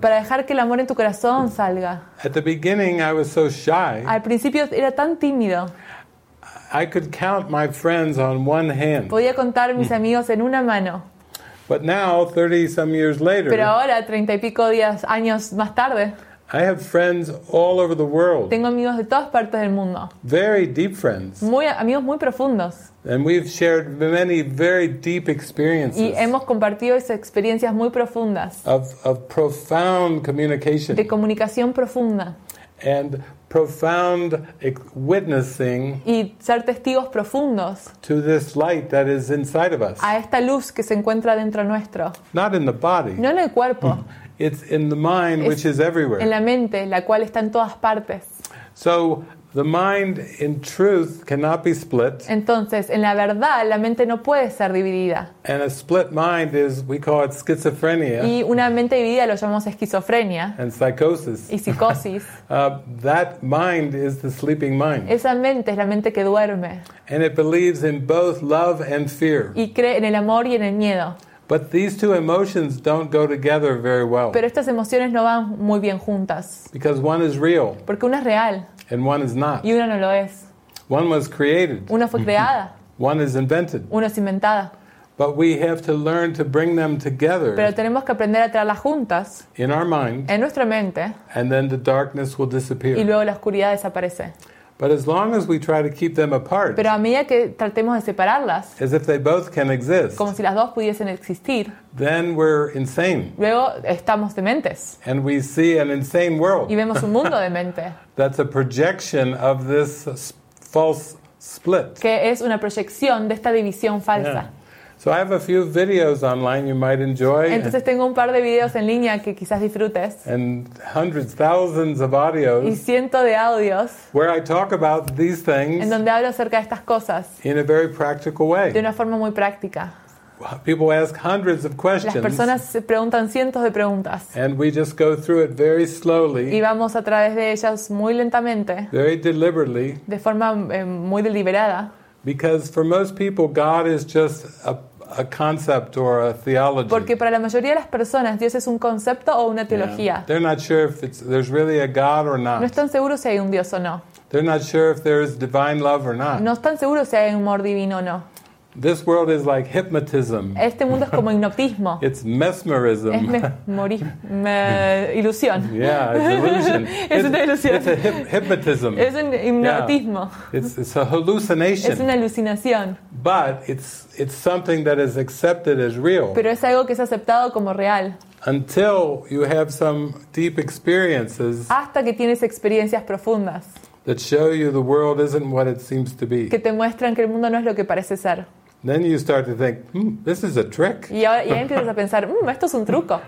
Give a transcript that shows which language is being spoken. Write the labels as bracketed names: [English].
[Spanish] Para dejar que el amor en tu corazón salga. [English] At the beginning, I was so shy. [Spanish] Al principio era tan tímido. [English] I could count my friends on one hand. [Spanish] Podía contar mis amigos en una mano. [English] But now, 30 some years later. [Spanish] Pero ahora, 30 y pico días años más tarde. [English] I have friends all over the world. [Spanish] Tengo amigos de todas partes del mundo. [English] Very deep friends. [Spanish] Muy amigos muy profundos. [English] And we've shared many very deep experiences. [Spanish] Y hemos compartido esas experiencias muy profundas. [English] Of profound communication. [Spanish] De comunicación profunda. [English] And profound witnessing. [Spanish] Y ser testigos profundos. [English] To this light that is inside of us. [Spanish] A esta luz que se encuentra dentro nuestro. [English] Not in the body. [Spanish] No en el cuerpo. [English] It's in the mind, which is everywhere. [Spanish] En la mente, la cual está en todas partes. [English] So the mind, in truth, cannot be split. [Spanish] Entonces, en la verdad, la mente no puede ser dividida. [English] And a split mind is, we call it schizophrenia. [Spanish] Y una mente dividida lo llamamos esquizofrenia. [English] And psychosis. [Spanish] Y psicosis. [English] That mind is the sleeping mind. [Spanish] Esa mente es la mente que duerme. [English] And it believes in both love and fear. [Spanish] Y cree en el amor y en el miedo. [English] But these two emotions don't go together very well. [Spanish] Pero estas emociones no van muy bien juntas. [English] Because one is real. [Spanish] Porque una es real. [English] And one is not. [Spanish] Y una no lo es. [English] One was created. [Spanish] Una fue creada. [English] One is invented. [Spanish] Una es inventada. [English] But we have to learn to bring them together. [Spanish] Pero tenemos que aprender a traerlas juntas. [English] In our mind. [Spanish] En nuestra mente. [English] And then the darkness will disappear. [Spanish] Y luego la oscuridad desaparece. [English] But as long as we try to keep them apart. [Spanish] Pero a medida que tratemos de separarlas. [English] As if they both can exist. [Spanish] Como si las dos pudiesen existir. [English] Then we're insane. [Spanish] Luego estamos dementes. [English] And we see an insane world. [Spanish] Y vemos un mundo demente. [English] That's a projection of this false split. [Spanish] Que es una proyección de esta división falsa. Yeah. [English] So I have a few videos online you might enjoy. [Spanish] Entonces tengo un par de videos en línea que quizás disfrutes. [English] And hundreds, thousands of audios. [Spanish] Y cientos de audios. [English] Where I talk about these things. [Spanish] En donde hablo acerca de estas cosas. [English] In a very practical way. [Spanish] De una forma muy práctica. [English] People ask hundreds of questions. [Spanish] Las personas se preguntan cientos de preguntas. [English] And we just go through it very slowly. [Spanish] Y vamos a través de ellas muy lentamente. [English] Very deliberately. [Spanish] De forma muy deliberada. [English] Because for most people, God is just a concept or a theology. [Spanish] Porque para la mayoría de las personas, Dios es un concepto o una teología. Yeah. [English] They're not sure if there's really a God or not. [Spanish] No están seguros si hay un Dios o no. [English] They're not sure if there is divine love or not. [Spanish] No están seguros si hay un amor divino o no. [English] This world is like hypnotism. [Spanish] Este mundo es como hipnotismo. [English] It's mesmerism. [Spanish] Es ilusión. [English] Yeah, it's illusion. [Spanish] Es una ilusión. [English] It's a hypnotism. [Spanish] Es un hipnotismo. [English] Yeah. It's a hallucination. [Spanish] Es una alucinación. [English] But it's something that is accepted as real. [Spanish] Pero es algo que es aceptado como real. [English] Until you have some deep experiences. [Spanish] Hasta que tienes experiencias profundas. [English] That show you the world isn't what it seems to be. [Spanish] Que te muestran que el mundo no es lo que parece ser. [English] Then you start to think, this is a trick. [Spanish] Y ahí empiezas a pensar, esto es un truco.